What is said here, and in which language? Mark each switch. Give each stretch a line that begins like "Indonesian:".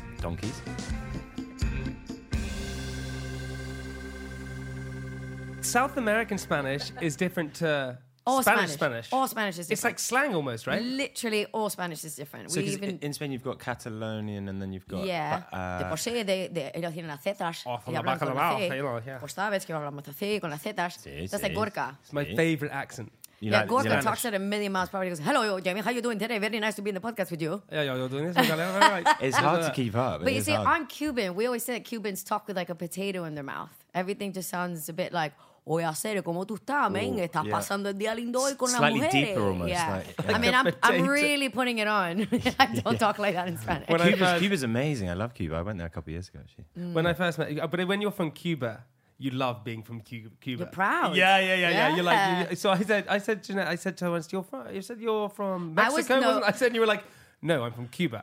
English: Donkeys. South American Spanish is different to... All Spanish is different. It's like slang almost, right? Literally, all Spanish is different. So we even in Spain, you've got Catalonian, and then you've got... Yeah.
Spanish: De por sí, ellos tienen las zetas. Y hablan con la C. Pues sabes que hablamos así, con las zetas. Sí, sí.
English: That's Gorka. It's my favorite accent. You like Gorka Spanish. Talks at a million miles per hour. He goes, hello, Jamie, how you doing today? Very nice to be in the podcast with you. Yeah, you're doing this. It's hard to keep up. But you see, I'm Cuban. We always say that Cubans talk with like a potato in their mouth. Everything just sounds a bit like...
Spanish: Oye, a serio, ¿cómo tú estás, men? ¿Estás pasando el día lindo hoy con la mujer?
English: Slightly deeper almost. Yeah. Like, yeah. I mean, I'm really putting it on. I don't talk like that in Spanish. Cuba's amazing. I love Cuba. I went there a couple of years ago, actually. When I first met you, but when you're from Cuba, you love being from Cuba. You're proud. Yeah. You're like, so I said, Jeanette, I said to her, once, you're from Mexico, wasn't it? I said, and you were like, no, I'm from Cuba.